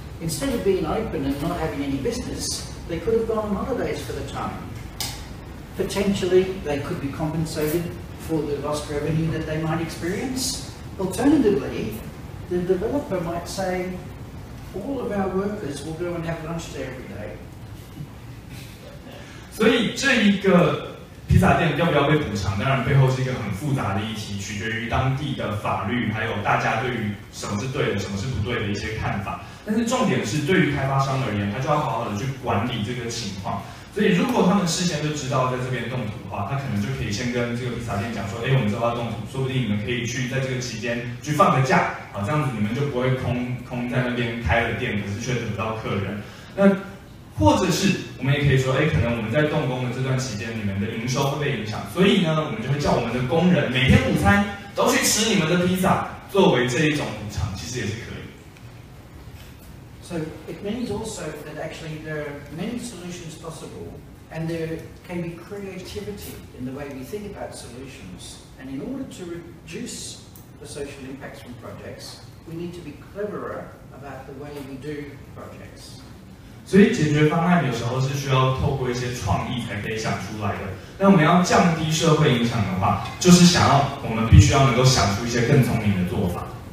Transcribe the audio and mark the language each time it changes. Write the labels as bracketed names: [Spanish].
[English] Instead of being open and not having any business, they could have gone on holidays for the time. Potentially, they could be compensated for the lost revenue that they might experience. Alternatively, the developer might say, all of our workers will go and have lunch there every day. [Chinese] 所以这一个披萨店要不要被补偿，当然背后是一个很复杂的议题，取决于当地的法律，还有大家对于什么是对的，什么是不对的一些看法。但是重点是，对于开发商而言，他就要好好的去管理这个情况。所以，如果他们事先就知道在这边动土的话，他可能就可以先跟这个披萨店讲说：“哎，我们这要动土，说不定你们可以去在这个期间去放个假，啊，这样子你们就不会空在那边开了店，可是却等不到客人。” 那或者是我们也可以说：“哎，可能我们在动工的这段期间，你们的营收会被影响，所以呢，我们就会叫我们的工人每天午餐都去吃你们的披萨，作为这一种补偿，其实也是可以。” [English] So it means also that actually there are many solutions possible and there can be creativity in the way we think about solutions. And in order to reduce the social impacts from projects, we need to be cleverer about the way we do projects. [Chinese] 所以解决方案有时候是需要透过一些创意才可以想出来的。那我们要降低社会影响的话，就是想要我们必须要能够想出一些更聪明的做法。